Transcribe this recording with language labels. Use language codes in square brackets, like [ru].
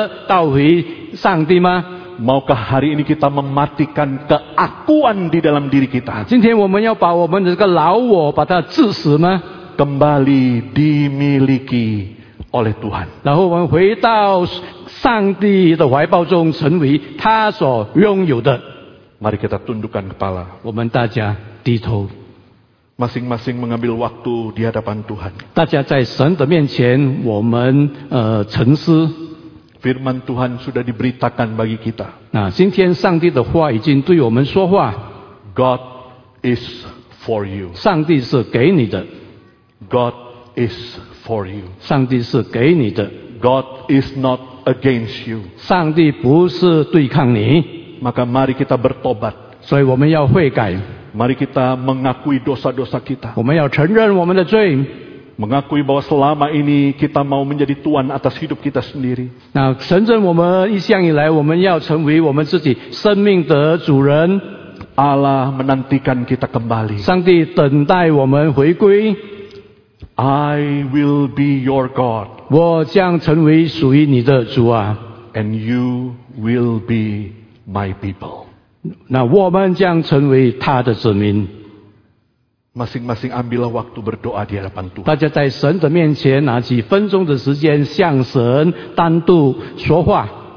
[zh] 那我们大家今天要回心转意的倒回上帝吗？ [id] Maukah hari ini kita mematikan keakuan di dalam diri kita? [zh] 今天我们要把我们的这个老我把它致死吗？ [id] Kembali dimiliki oleh Tuhan. [zh] 然后我们回到上帝的怀抱中，成为他所拥有的。 [id] Mari kita tundukkan kepala. [zh] 我们大家低头。 [id] Masing-masing mengambil waktu di hadapan Tuhan. [zh] 大家在神的面前，我们沉思。 [id] Firman Tuhan sudah diberitakan bagi kita. [zh] Nah, 今天上帝的话已经对我们说话. [en] God is for you. [zh] 上帝是给你的. [en] God is for you. [zh] 上帝是给你的. [en] God is not against you. [zh] 上帝不是对抗你. [id] Maka mari kita bertobat. [zh] 所以我们要悔改. [id] Mari kita mengakui dosa-dosa kita. [zh] 我们要承认我们的罪. [id] Mengakui bahwa selama ini kita mau menjadi tuan atas hidup kita sendiri. [zh] Nah, 神圣我们一向以来我们要成为我们自己生命的主人。 [id] Allah menantikan kita kembali. [zh] 上帝等待我们回归。 [en] I will be your God. [zh] 我将成为属于你的主啊。 [en] And you will be my people. [zh] 那我们将成为他的子民。 [id] Masing-masing ambillah waktu berdoa di hadapan Tuhan. [zh] 大家在神的面前拿几分钟的时间向神单独说话。